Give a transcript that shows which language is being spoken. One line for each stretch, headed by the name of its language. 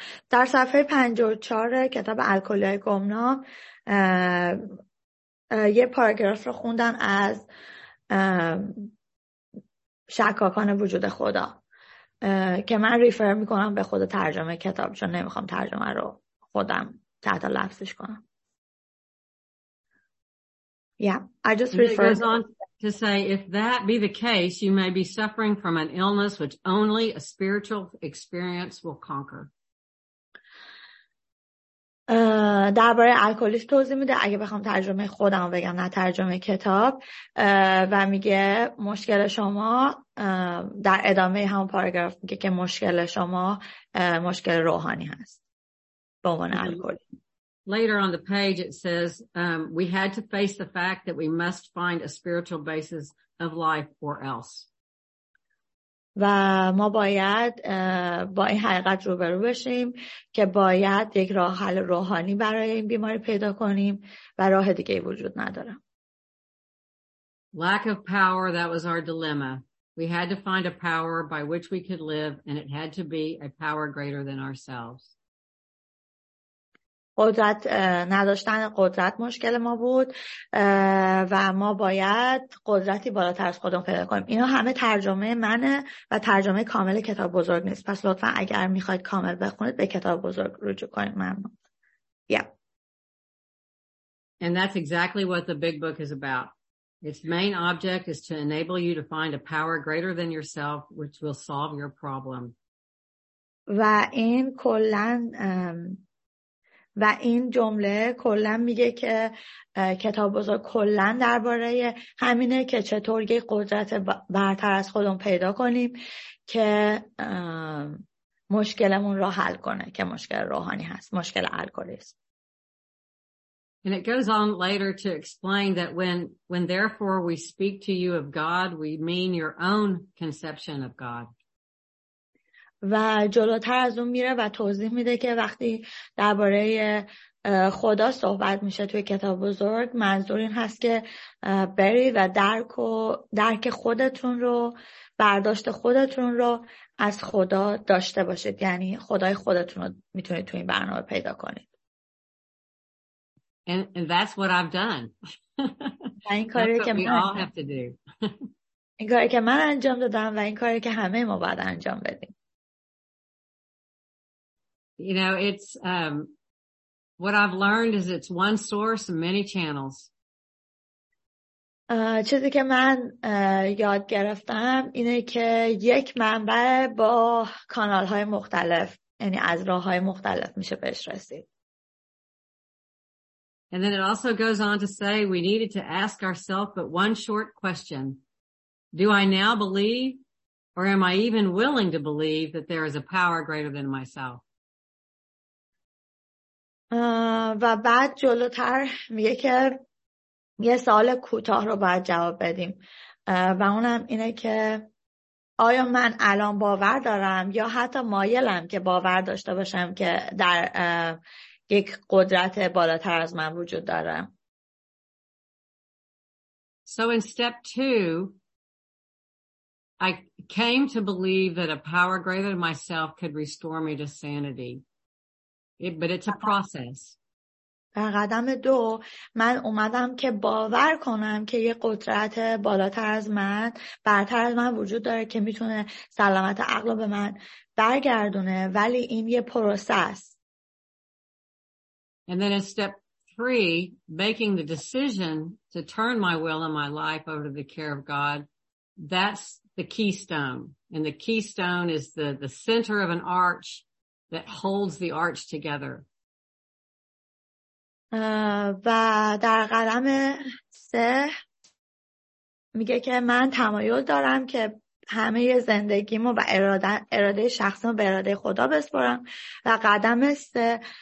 Persian: در صفحه 54 کتاب الکلی‌های گمنام یه پاراگراف رو خوندن از شکاکان وجود خدا که من ریفر میکنم به خود ترجمه کتاب چون نمیخوام ترجمه رو خودم تحت لفظش کنم.
English: Yeah, I just refer. It goes on to say, if that be the case, you may be suffering from an illness which only a spiritual experience will conquer.
Persian: درباره الکلیسم توضیح میده، اگه بخوام ترجمه خودم بگم نه ترجمه کتاب، و میگه مشکل شما در ادامه همون پاراگراف میگه که مشکل شما مشکل روحانی هست به عنوان الکلیسم.
English: Later on the page it says we had to face the fact that we must find a spiritual basis of life or else.
Persian: و ما باید با این حقیقت روبرو بشیم که باید یک راه حل روحانی برای این بیماری پیدا کنیم و راه دیگه وجود نداره.
English: Lack of power, that was our dilemma. We had to find a power by which we could live and it had to be a power greater than ourselves.
Persian: قدرت نداشتن قدرت مشکل ما بود و ما باید قدرتی بالاتر از خودمون پیدا کنیم. اینا همه ترجمه منه و ترجمه کامل کتاب بزرگ نیست، پس لطفا اگر میخواید کامل بخونید به کتاب بزرگ رجوع کنید. ممنون.
English: Yeah. And that's exactly what the big book is about. Its main object is to enable you to find a power greater than yourself which will solve your problem.
Persian: و این کلن و این جمله کلن میگه که کتاب بزرگ کلن درباره همینه که چطور یک قدرت برتر از خودمون پیدا کنیم که مشکلمون را حل کنه، که مشکل روحانی هست، مشکل الکلیسم.
English: And it goes on later to explain that when therefore we speak to you of God, we mean your own conception of God.
Persian: و جلوتر از اون میره و توضیح میده که وقتی درباره خدا صحبت میشه توی کتاب بزرگ، منظور این هست که بری و درک خودتون رو، برداشت خودتون رو از خدا داشته باشید، یعنی خدای خودتون رو میتونید توی این برنامه پیدا کنید.
English: And that's what I've done.
Persian: این کاری که
English: we all have to do.
Persian: این کاری که من انجام دادم و این کاری که همه ما باید انجام بدیم.
English: You know, it's what I've learned is it's one source and many channels.
Persian: چیزی که من یاد گرفتم اینه که یک منبع با کانال‌های مختلف، یعنی از راه‌های مختلف میشه بهش رسید.
English: And then it also goes on to say we needed to ask ourselves but one short question. Do I now believe or am I even willing to believe that there is a power greater than myself?
Persian: و بعد جلوتر میگه که یه سوال کوتاه رو باید جواب بدیم و اونم اینه که آیا من الان باور دارم یا حتی مایلم که باور داشته باشم که در یک قدرت بالاتر از من وجود داره.
English: So in step 2 I came to believe that a power greater than myself could restore me to sanity. But it's a process.
Persian: در قدم دو من اومدم که باور کنم که یه قدرت بالاتر از من، برتر از من وجود داره که میتونه سلامت عقل به من برگردونه، ولی این یه پروسه است.
English: And then in step 3, making the decision to turn my will and my life over to the care of God, that's the keystone. And the keystone is the center of an arch that holds the arch together.
Persian: و در قدم سه میگه که من تمایل دارم که همه زندگیمو و اراده شخصیمو به اراده خدا بسپارم و قدم سه